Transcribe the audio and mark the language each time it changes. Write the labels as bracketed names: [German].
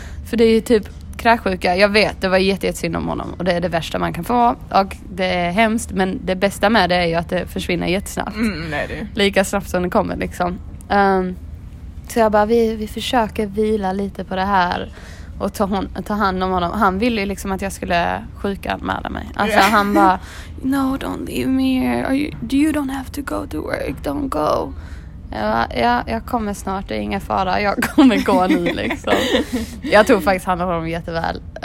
[Swedish] För det är ju typ kräksjuka, jag vet, det var jättesynd om honom, och det är det värsta man kan få, och det är hemskt, men det bästa med det är ju att det försvinner jättesnabbt. Lika snabbt som det kommer liksom. Så jag bara, vi försöker vila lite på det här och ta hand om honom. Han ville ju liksom att jag skulle sjukanmäla mig. Alltså han bara, [English] no don't leave me here. You don't have to go to work, don't go. [Swedish] Jag bara, ja, jag kommer snart, det är ingen fara. Jag kommer gå nu liksom. Jag tog faktiskt hand om honom jätteväl.